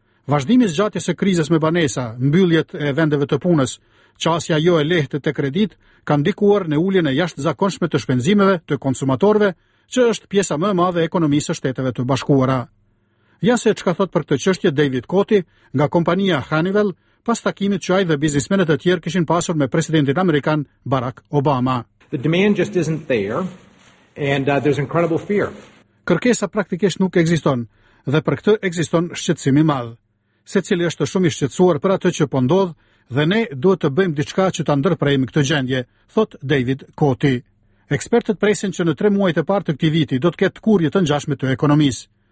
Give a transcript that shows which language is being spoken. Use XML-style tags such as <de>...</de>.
<sq>Vazhdimi i zgjatjes së krizës me banesa, mbylljet e vendeve të punës, çasja jo e lehtë të kredit, kanë ndikuar në uljen e jashtëzakonshme të shpenzimeve të konsumatorëve, që është pjesa më e madhe e ekonomisë së Shteteve të Bashkuara. Ja se çka thot për këtë çështje David Koti nga kompania Honeywell, pas takimit që ai dhe biznesmenët e tjerë kishin pasur me presidentin amerikan Barack Obama.</sq> <en>The demand just isn't there and there's incredible fear.</en> <sq>Kërkesa praktikisht nuk ekziston dhe për këtë ekziston shqetësim i madh. Secili është shumë i shqetësuar për atë që po ndodh dhe ne duhet të bëjmë diçka që ta ndërprejmë këtë gjendje, thot David Koti. Ekspertët presin që në 3 muajt e parë të këtij viti do të ketë kurje të ngjashme të ekonomisë.</sq>